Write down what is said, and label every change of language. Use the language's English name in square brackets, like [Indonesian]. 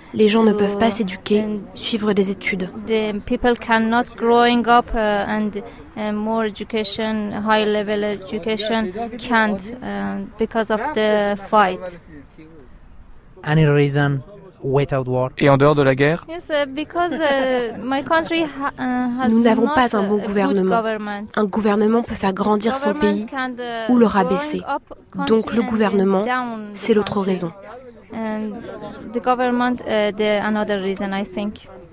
[French] Les gens ne peuvent pas s'éduquer, suivre des études. [English] The people cannot growing up and more education, high level education can't because of the fight. any reason without war? [French] Et en dehors de la guerre? Nous n'avons pas un bon gouvernement. Un gouvernement peut faire grandir son pays ou le rabaisser. Donc le gouvernement, c'est l'autre raison. [English] And the government, the another reason, I think.